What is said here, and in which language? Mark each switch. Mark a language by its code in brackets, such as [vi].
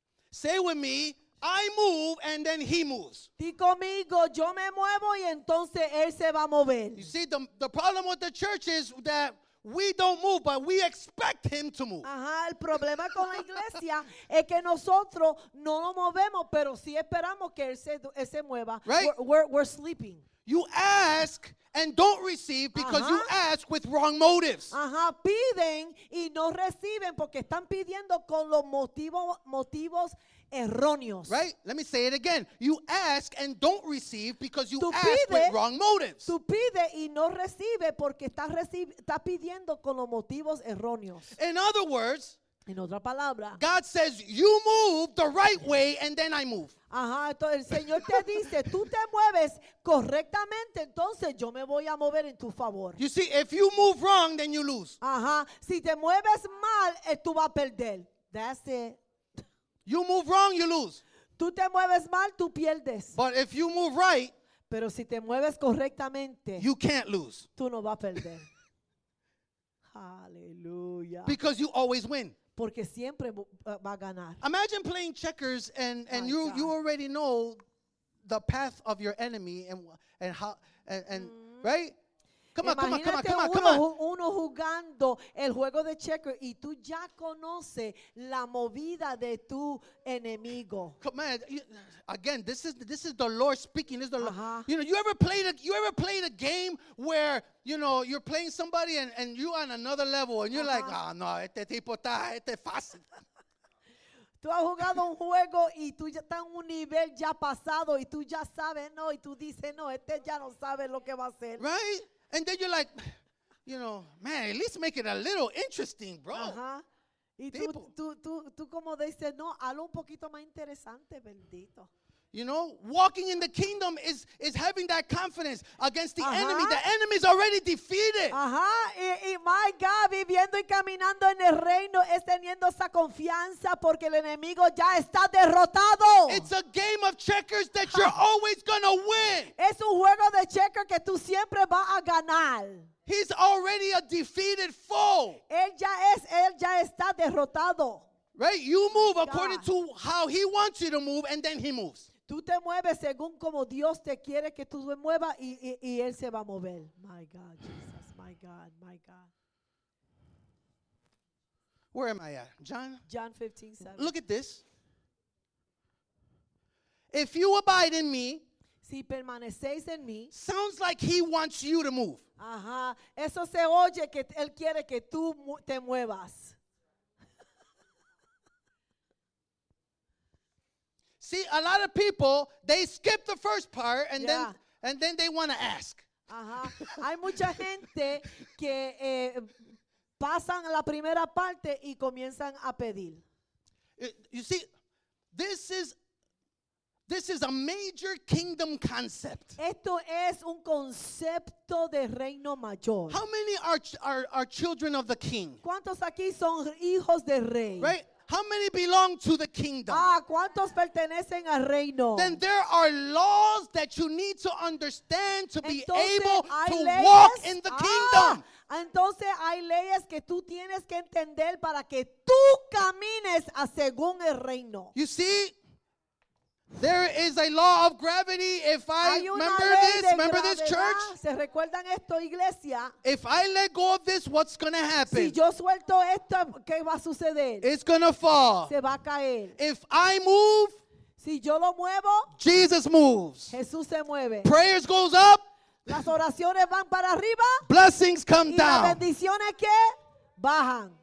[en] Say with me, I move and then he moves. [es] Di conmigo, yo me muevo y entonces él se va a mover. [en] You see, the problem with the church is that we don't move, but we expect him to move. [es] Ajá, el problema con la iglesia es que nosotros no nos movemos, pero sí esperamos que él se mueva. [en] Right? We're sleeping. You ask and don't receive because you ask with wrong motives. [es] Ajá, piden y no reciben porque están pidiendo con los motivos erróneos. [en] Right? Let me say it again. You ask and don't receive because you ask with wrong motives. [es] Tú pide y no recibe porque estás pidiendo con los motivos erróneos. [en] In other words, [es] en otra palabra, [en] God says you move the right way and then I move. [es] Ajá, entonces el Señor te dice, tú te mueves correctamente, entonces yo me voy a mover en tu favor. [en] You see, if you move wrong, then you lose. [es] Ajá, si te mueves mal, tú vas a perder. [en] That's it. You move wrong, you lose. [es] Tú te mueves mal, tú pierdes. [en] But if you move right, [es] pero si te mueves correctamente, [en] you can't lose. [es] Tú no vas a perder. Hallelujah. [en] Because you always win. [es] Porque siempre va a ganar. [en] Imagine playing checkers and you already know the path of your enemy and how. Right? Come on. [es] Uno jugando el juego de checkers y tú ya conoces la movida de tu enemigo. [en] Come on. Again, this is the Lord speaking. This is the Lord. Uh-huh. You know, you ever played a game where, you know, you're playing somebody and you're on another level and you're like, ah, oh, no, [es] este tipo está, este es fácil. Tú has jugado un juego y tú ya estás en un nivel ya pasado y tú ya sabes, no, y tú dices, no, este ya no sabe lo que va a hacer. [en] Right? And then you're like, you know, man, at least make it a little interesting, bro. Uh-huh. [es] Y tú como dices, no, algo un poquito más interesante, bendito. [en] You know, walking in the kingdom is having that confidence against the enemy. The enemy is already defeated. [es] Ajá, y [en] my God, [es] viviendo y caminando en el reino es teniendo esa confianza porque el enemigo ya está derrotado. [en] It's a game of checkers that you're always going to win. [es] Es un juego de checkers que tú siempre vas a ganar. [en] He's already a defeated foe. [es] Él ya está derrotado. [en] Right? You move according to how he wants you to move and then he moves. [es] Tú te mueves según como Dios te quiere que tú te muevas y Él se va a mover. [en] My God, Jesus, my God, my God. Where am I at? John? John 15, 7. Look at this. If you abide in me, [es] si permanecéis en mí, [en] sounds like he wants you to move. [es] Ajá, eso se oye que Él quiere que tú te muevas. [en] See, a lot of people, they skip the first part and then they want to ask. Uh-huh. [es] Hay mucha gente que pasan la primera parte y comienzan a pedir. [en] You see, this is a major kingdom concept. [es] Esto es un concepto de reino mayor. [en] How many are children of the king? [es] ¿Cuántos aquí son hijos del rey? [en] Right? How many belong to the kingdom? [es] Ah, ¿cuántos pertenecen al reino? [en] Then there are laws that you need to understand to [es] entonces, [en] be able to [es] leyes? [en] Walk in the kingdom. [es] Entonces hay leyes que tú tienes que entender para que tú camines a según el reino. [en] You see, there is a law of gravity. If I remember this, remember [es] gravedad, [en] this church? [es] ¿Se recuerdan esto, iglesia? [en] If I let go of this, what's going to happen? [es] Si yo suelto esto, ¿qué va a suceder? [en] It's going to fall. [es] Se va a caer. [en] If I move, [es] si yo lo muevo, [en] Jesus moves. [es] Jesús se mueve. [en] Prayers goes up. [es] Las oraciones van para arriba. [en] Blessings come down. [es] Y las bendiciones que bajan.